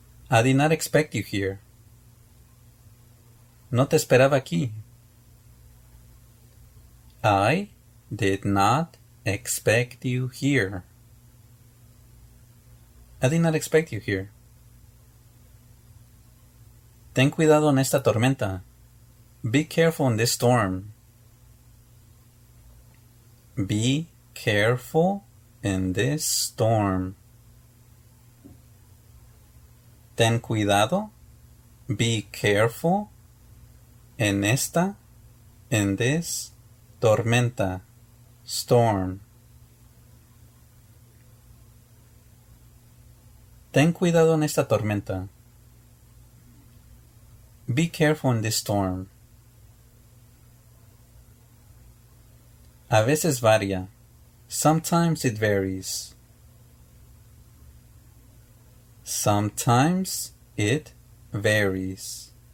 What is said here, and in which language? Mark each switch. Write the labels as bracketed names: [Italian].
[English] I did not expect you here. [Spanish] No te esperaba aquí. [English] I did not expect you here. I did not expect you here. [Spanish] Ten cuidado en esta tormenta. [English] Be careful in this storm. Be careful in this storm. [Spanish] Ten cuidado. [English] Be careful in [Spanish] esta, [English] in this [Spanish] Tormenta, [English] storm. [Spanish] Ten cuidado en esta tormenta. [English] Be careful in this storm. [Spanish] A veces varía. [English] Sometimes it varies. Sometimes it varies.